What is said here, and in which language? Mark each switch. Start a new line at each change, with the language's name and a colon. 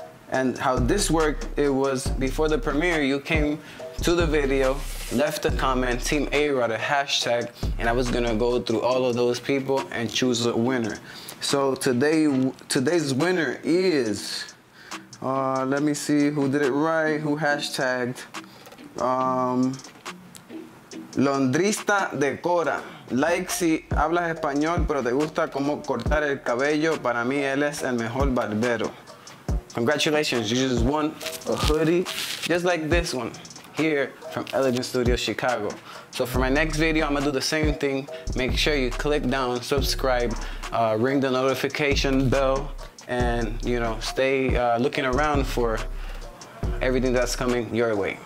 English: And how this worked, it was before the premiere, you came to the video, left a comment, Team A-Rod, a hashtag, and I was gonna go through all of those people and choose a winner. So today's winner is, let me see who did it right, who hashtagged, Londrista de Cora.
Spanish: Like si hablas español, pero te gusta como cortar el cabello, para mí él es el mejor barbero.
English: Congratulations, you just won a hoodie, just like this one, here from Elegant Studio Chicago. So for my next video, I'm gonna do the same thing. Make sure you click down, subscribe, ring the notification bell, and you know, stay looking around for everything that's coming your way.